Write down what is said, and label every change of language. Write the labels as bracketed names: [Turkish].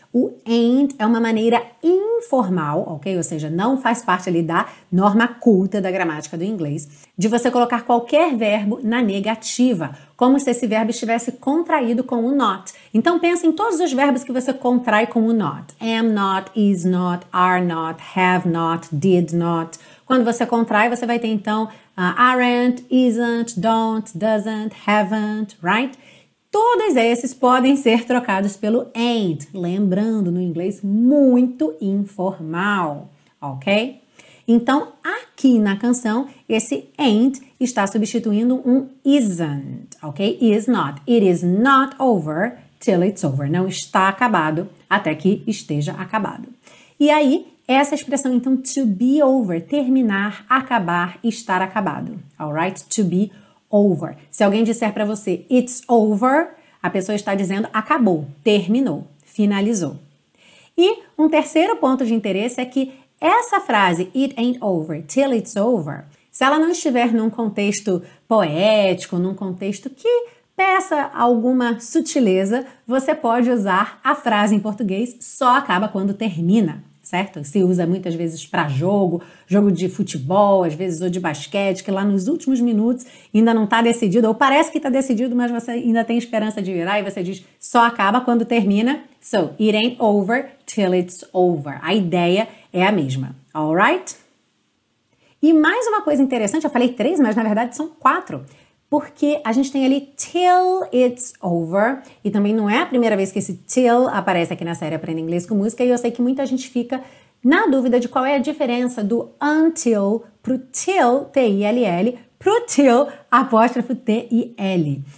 [Portuguese] O ain't é uma maneira informal, ok? Ou seja, não faz parte ali da norma culta da gramática do inglês, de você colocar qualquer verbo na negativa, como se esse verbo estivesse contraído com o not. Então pensa em todos os verbos que você contrai com o not. [English] Am not, is not, are not, have not, did not. [Portuguese] Quando você contrai, você vai ter então aren't, isn't, don't, doesn't, haven't, right? Todos esses podem ser trocados pelo ain't, lembrando, no inglês, muito informal, ok? Então, aqui na canção, esse ain't está substituindo um isn't, ok? [English] Is not. It is not over till it's over. [Portuguese] Não está acabado até que esteja acabado. E aí, essa expressão, então, to be over, terminar, acabar, estar acabado, alright? To be over. Over. Se alguém disser para você, [English] it's over, [Portuguese] a pessoa está dizendo, acabou, terminou, finalizou. E um terceiro ponto de interesse é que essa frase, [English] it ain't over, till it's over, [Portuguese] se ela não estiver num contexto poético, num contexto que peça alguma sutileza, você pode usar a frase em português, só acaba quando termina. Certo? Se usa muitas vezes para jogo de futebol, às vezes, ou de basquete, que lá nos últimos minutos ainda não está decidido, ou parece que está decidido, mas você ainda tem esperança de virar, e você diz, só acaba quando termina. [English] So, it ain't over till it's over. [Portuguese] A ideia é a mesma. Alright? E mais uma coisa interessante, eu falei 3, mas na verdade são 4. Porque a gente tem ali till it's over, e também não é a primeira vez que esse till aparece aqui na série Aprenda Inglês com Música, e eu sei que muita gente fica na dúvida de qual é a diferença do until pro till, T-I-L-L, pro till, apóstrofo T-I-L.